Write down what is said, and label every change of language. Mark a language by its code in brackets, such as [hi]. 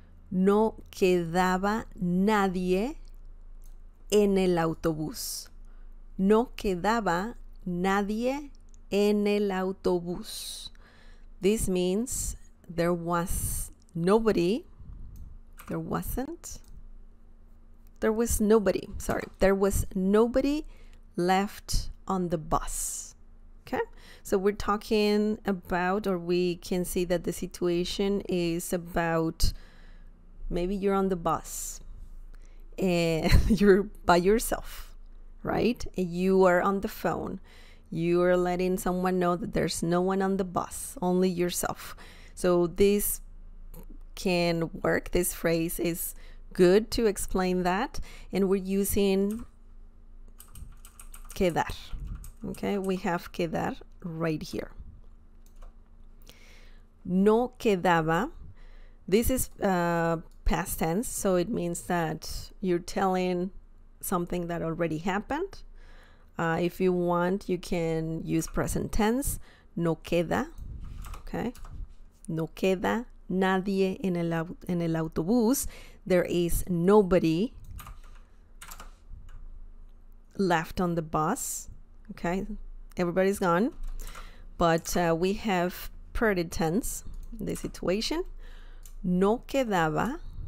[es] No quedaba nadie en el autobús. No quedaba nadie en el autobús. [en] This means there was nobody. There wasn't. There was nobody. Sorry. There was nobody left on the bus. Okay. So we're talking about, or we can see that the situation is about maybe you're on the bus and you're by yourself, right? You are on the phone. You are letting someone know that there's no one on the bus, only yourself. So this can work. This phrase is good to explain that. And we're using quedar. Okay, we have quedar right here. [es] No quedaba. [en] This is past tense, so it means that you're telling something that already happened. If you want, you can use present tense. [es] No queda. Okay. No queda nadie en el autobús. [en] There is nobody left on the bus. Okay. Everybody's gone. But we have present tense in this situation. [es] No quedaba.